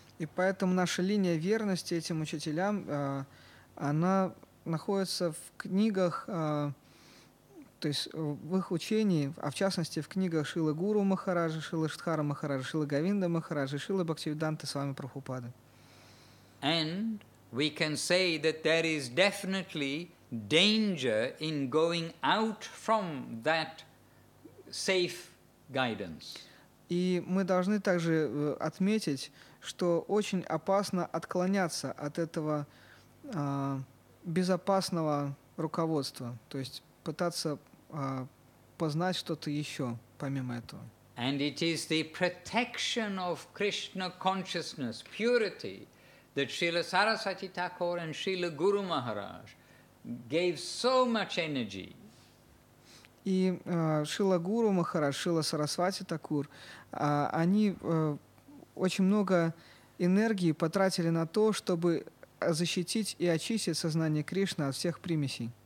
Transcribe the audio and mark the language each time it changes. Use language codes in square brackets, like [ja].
[ru] И поэтому наша линия верности этим учителям, она находится в книгах, то есть в их учении, а в частности в книгах Шрилы Гуру Махараджа, Шрилы Шридхара Махараджа, Шрилы Говинда Махараджа, Шрилы Бхактивиданты Свами Прабхупады. [en] And we can say that there is definitely danger in going out from that safe guidance. [ru] И мы должны также отметить, что очень опасно отклоняться от этого безопасного руководства, то есть пытаться познать что-то еще помимо этого. [en] And it is the protection of Krishna consciousness, purity, that Srila Sarasvati Thakur and Srila Guru Maharaj gave so much energy. [ru] И Шрила Гуру Махарадж, Шрила Сарасвати Такур, они очень много энергии потратили на то, чтобы защитить и очистить сознание Кришны от всех примесей.